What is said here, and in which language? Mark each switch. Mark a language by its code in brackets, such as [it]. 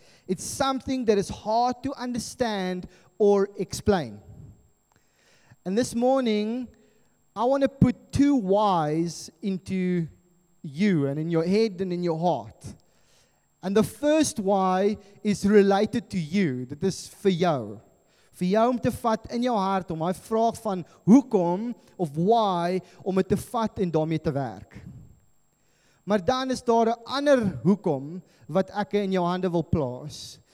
[en] It's something that is hard to understand or explain. And this morning, I want to put two whys into you and in your head and in your heart. And the first why is related to you. That is for you. [af] Vir jou om te vat in jou hart om my vraag van hoekom of why om het te vat en daarmee te werk. Maar dan is daar 'n ander hoekom wat ek in jou hande wil plaas.